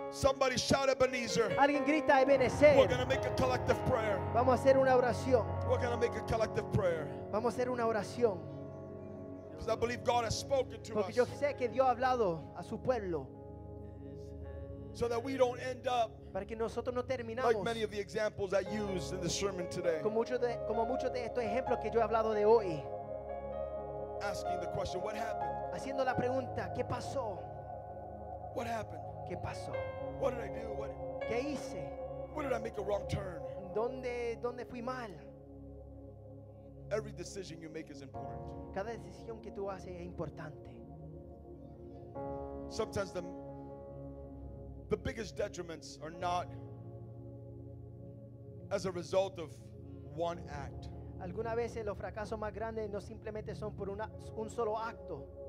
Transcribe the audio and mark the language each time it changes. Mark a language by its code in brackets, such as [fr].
[en] Somebody shout Ebenezer. [es] Alguien grita Ebenezer. [en] We're going to make a collective prayer. [es] Vamos a hacer una oración. [en] We're going to make a collective prayer. [es] Vamos a hacer una oración. [en] Because I believe God has spoken to [es] Porque [en] us. [es] Yo sé que Dios ha hablado a su pueblo. [en] So that we don't end up [es] para que nosotros no terminamos [en] like many of the examples I used in the sermon today, [es] como muchos de estos ejemplos que yo he hablado de hoy, [en] asking the question, what happened? [es] Haciendo la pregunta, ¿qué pasó? [en] What happened? [es] ¿Qué pasó? [en] What did I do? What? [es] ¿Qué hice? [en] What did I make a wrong turn? [es] ¿Dónde fui mal? [en] Every decision you make is important. [es] Cada decisión que tú haces es importante. [en] Sometimes the biggest detriments are not as a result of one act. [es] Algunas veces los fracasos más grandes no simplemente son por un solo acto.